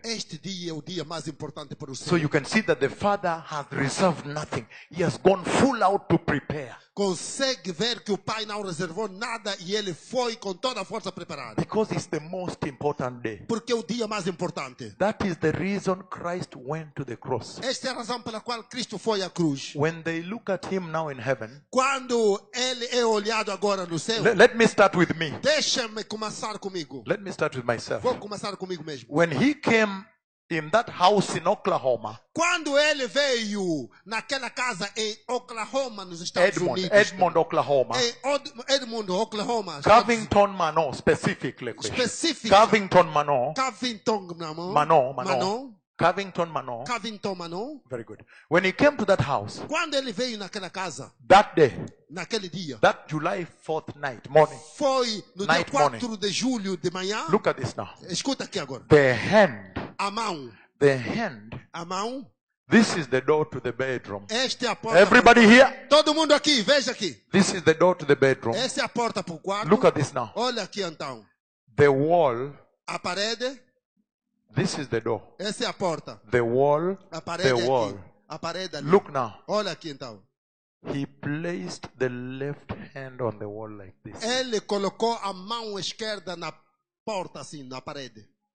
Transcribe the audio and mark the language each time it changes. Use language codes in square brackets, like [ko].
[pt] Este dia é o dia mais importante para o céu. [en] So you can see that the Father has reserved nothing. He has gone full out to prepare. [pt] Consegue ver que o Pai não reservou nada e ele foi com toda a força preparar. [en] Because it's the most important day. [pt] Porque é o dia mais importante. [en] That is the reason Christ went to the cross. [pt] Esta é a razão pela qual Cristo foi à cruz. [en] When they look at him now in heaven. [pt] Quando ele é olhado agora no céu. [en] Let me start with me. [pt] Deixa-me começar comigo. [en] Let me start with myself. [pt] Vou começar comigo mesmo. [en] When he came in that house in Oklahoma. [pt] Quando ele veio naquela casa em Oklahoma, nos Estados [en] Edmund, [pt] Unidos. [en] Edmond, Oklahoma. Edmond, Oklahoma. Covington Manor, specifically. Specific. Covington Manor. Covington Manor. Covington Manor. Covington Manor. Very good. When he came to that house. [pt] Quando ele veio naquela casa. [en] That day. [pt] Naquele dia. [en] That July 4th night morning. [pt] Foi no [en] night [pt] dia 4 [en] morning. [pt] De julho de manhã. [en] Look at this now. [pt] Escuta aqui agora. [en] The hand. [pt] A mão. [en] The hand. [pt] A mão. [en] This is the door to the bedroom. [pt] Esta é a porta. [en] Everybody here? [pt] Todo mundo aqui, veja aqui. [en] This is the door to the bedroom. [pt] Esta é a porta para o quarto. [en] Look at this now. [pt] Olha aqui então. [en] The wall. [pt] A parede. [en] This is the door. [pt] Esta é a porta. [en] The wall. [pt] A parede. [en] The wall. [pt] Aqui. A parede ali. [en] Look now. [pt] Olha aqui então. [en] He placed the left hand on the wall like this. [pt] Ele colocou a mão esquerda na porta assim, na parede.